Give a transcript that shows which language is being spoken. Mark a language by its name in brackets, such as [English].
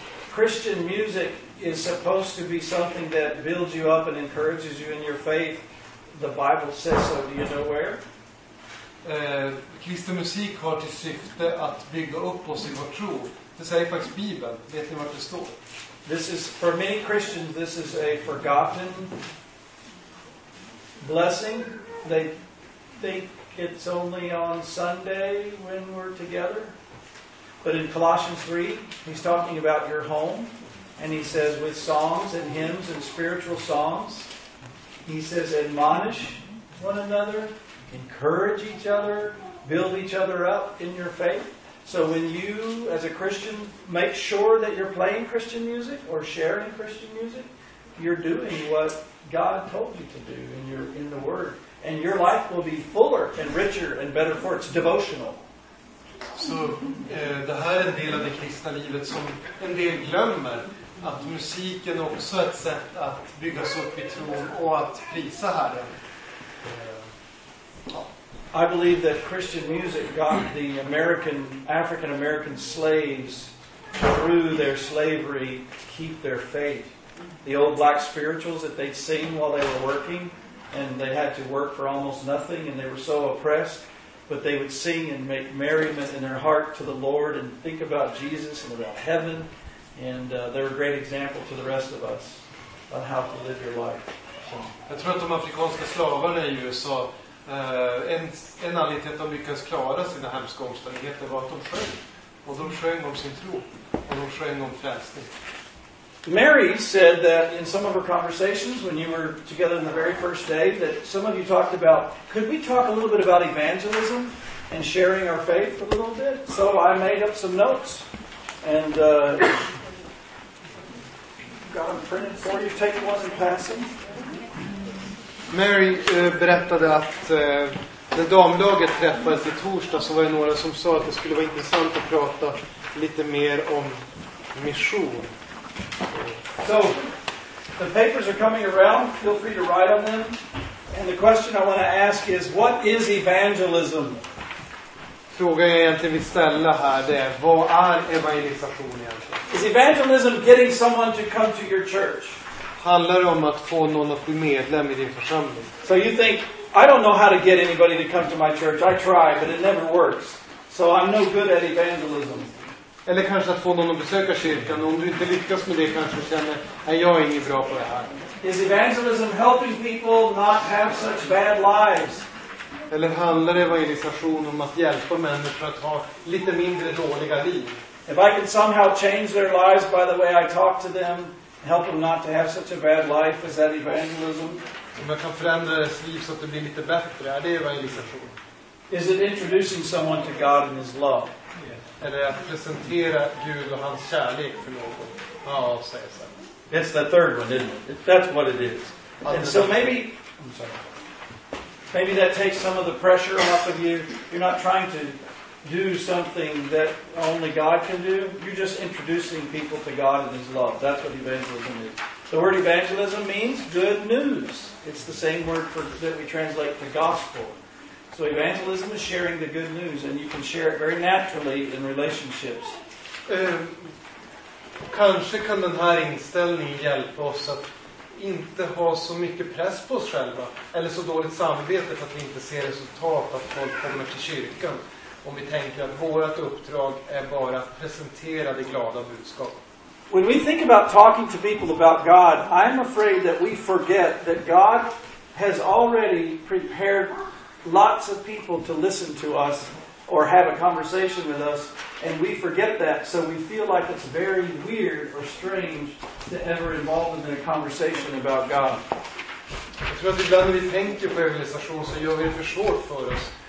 [English] Christian music is supposed to be something that builds you up and encourages you in your faith. The Bible says so. Do you know where? [Swedish] Kristen musik har till syfte att bygga upp oss i vår tro. Det säger faktiskt Bibeln. Vet ni var det står? [English] This is, for many Christians, this is a forgotten blessing. They think it's only on Sunday when we're together. But in Colossians 3, he's talking about your home, and he says, with songs and hymns and spiritual songs, he says, admonish one another, encourage each other, build each other up in your faith. So when you, as a Christian, make sure that you're playing Christian music or sharing Christian music, you're doing what God told you to do in the Word. And your life will be fuller and richer and better for it. It's devotional. [Swedish] Så det här är en del av det kristna livet som en del glömmer, att musiken också är ett sätt att byggas upp i tron och att prisa Herren. [English] I believe that Christian music got the African American slaves through their slavery to keep their faith. The old black spirituals that they'd sing while they were working, and they had to work for almost nothing, and they were so oppressed. But they would sing and make merriment in their heart to the Lord and think about Jesus and about heaven. And they're a great example to the rest of us on how to live your life. [Swedish] från. Jag tror att de afrikanska slavarna i USA, en anledning till att de lyckades klara sina hemska omständigheter var att de sjöng. Och de sjöng om sin tro. Och de sjöng om frälsning. [English] Mary said that in some of her conversations when you were together in the very first day that some of you talked about, could we talk a little bit about evangelism and sharing our faith a little bit? So I made up some notes and got them printed for you. Take one in passing. [Swedish] Mary berättade att när damlaget träffades i torsdag så var det några som sa att det skulle vara intressant att prata lite mer om mission. [English] So, the papers are coming around. Feel free to write on them. And the question I want to ask is, what is evangelism? [Swedish] Frågan jag egentligen vill ställa här är, vad är evangelisation egentligen? [English] Is evangelism getting someone to come to your church? [Swedish] Handlar det om att få någon att bli medlem i din församling? [English] So you think, I don't know how to get anybody to come to my church. I try, but it never works. So I'm no good at evangelism. [Swedish] Eller kanske att få någon att besöka kyrkan. Om du inte lyckas med det kanske känner att jag är inte bra på det här. [English] Is evangelism helping people not have such bad lives? [Swedish] Eller handlar evangelisation om att hjälpa människor att ha lite mindre dåliga liv? [English] If I can somehow change their lives by the way I talk to them, help them not to have such a bad life, is that evangelism? [Swedish] Om jag kan förändra deras liv så att det blir lite bättre, är det evangelisation? [English] Is it introducing someone to God and his love? [Swedish] Eller att presentera Gud och hans kärlek för någon. Ja, säger så. [English] It's the third one, isn't it? That's what it is. And so maybe, I'm sorry. Maybe that takes some of the pressure off of you. You're not trying to do something that only God can do. You're just introducing people to God and his love. That's what evangelism is. The word evangelism means good news. It's the same word for that we translate the gospel. So evangelism is sharing the good news, and you can share it very naturally in relationships. [Swedish] Kanske kan den här inställningen hjälpa oss att inte ha så mycket press på oss själva, eller så dåligt samvete för att vi inte ser resultat att folk kommer till kyrkan, om vi tänker att vårt uppdrag är bara att presentera det glada budskapet. [English] When we think about talking to people about God, I'm afraid that we forget that God has already prepared lots of people to listen to us or have a conversation with us, and we forget that, so we feel like it's very weird or strange to ever involve them in a conversation about God. [Swedish] Jag tror att ibland när vi tänker på evangelisation så gör vi det för svårt för oss.